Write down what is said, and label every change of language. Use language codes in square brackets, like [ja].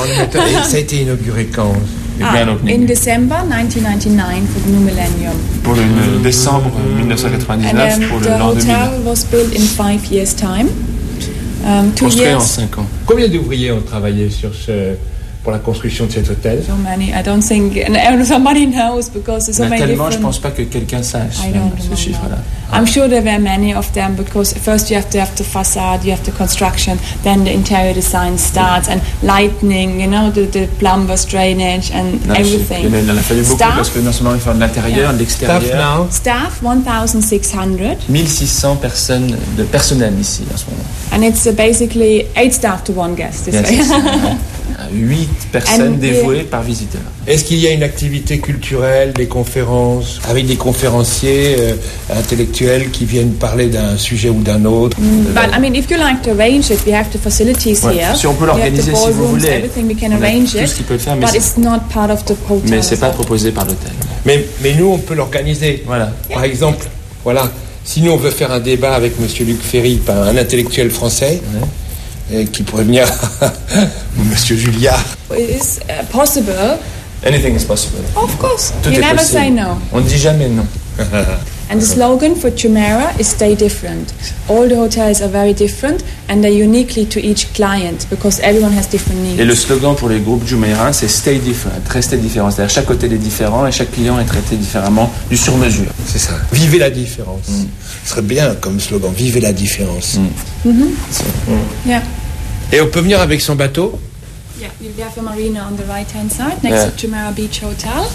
[fr] Et ça a été inauguré quand? [en] In December 1999 for the new millennium. [fr] Pour le décembre 1999 pour le l'an 2000. [en] The hotel was built in 5 years time. [fr] Construit en 5 ans. Combien d'ouvriers ont travaillé sur ce pour la construction de cet hôtel? [en] So many, I don't think, and somebody knows because there's so many. [fr] Tellement, je pense pas que quelqu'un sache ce chiffre-là. [en] I'm sure there were many of them because first you have to have the facade, you have the construction, then the interior design starts and lighting, you know, the plumber's drainage and everything. [fr] Il en a fallu beaucoup parce que non seulement il faut l'intérieur, l'extérieur. [en] Staff, 1,600. [fr] 1,600 personnes de personnel ici en ce moment. [en] And it's basically 8 staff to one guest. [fr] Yes, 8 personnes dévouées par visiteur. Est-ce qu'il y a une activité culturelle, des conférences, avec des conférenciers intellectuels qui viennent parler d'un sujet ou d'un autre? [en] But I mean, if you like to arrange it, we have the facilities here. [fr] Si on peut l'organiser, si vous voulez, tout ce qui peut le faire, [en] but it's not part of the hotel. [fr] Mais c'est pas proposé par l'hôtel. Mais nous, on peut l'organiser. Voilà. Par exemple, voilà, si nous on veut faire un débat avec Monsieur Luc Ferry, un intellectuel français. Ouais. Qui pourrait venir, Monsieur Julia. [en] It's possible. Anything is possible. Of course. [fr] Tout [en] you [fr] est [en] never [fr] possible. [en] Say no. [fr] On ne dit jamais non. [en] And the slogan for Jumeirah is stay different. All the hotels are very different and they're uniquely to each client because everyone has different needs. [fr] Et le slogan pour les groupes Jumeirah, c'est stay different, restez différents. C'est-à-dire chaque hôtel est différent et chaque client est traité différemment du sur-mesure. C'est ça. Vivez la différence. Ce serait bien comme slogan, vivez la différence. [en] Yeah. [fr] Et on peut venir avec son bateau? [en] Yeah, we have a marina on the right-hand side, next to Jumeirah Beach Hotel.